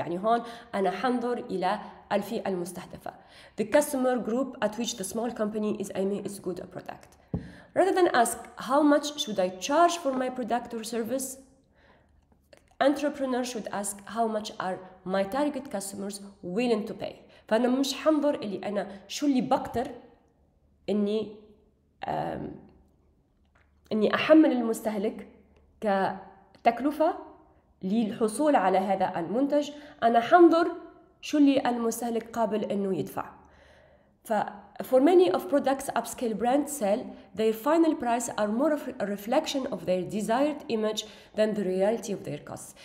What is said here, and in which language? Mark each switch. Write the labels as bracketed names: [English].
[Arabic] يعني هون أنا حنظر إلى الفئة المستهدفة. [English] The customer group at which the small company is aiming its good product. Rather than ask how much should I charge for my product or service, entrepreneur should ask how much are my target customers willing to pay. [Arabic] فأنا مش حنظر اللي أنا شو اللي بقدر إني أحمل المستهلك كتكلفة للحصول على هذا المنتج، أنا حنظر شو اللي المستهلك قابل إنه يدفع. [English] For many of products upscale brands sell, their final price are more of a reflection of their desired image than the reality of their costs.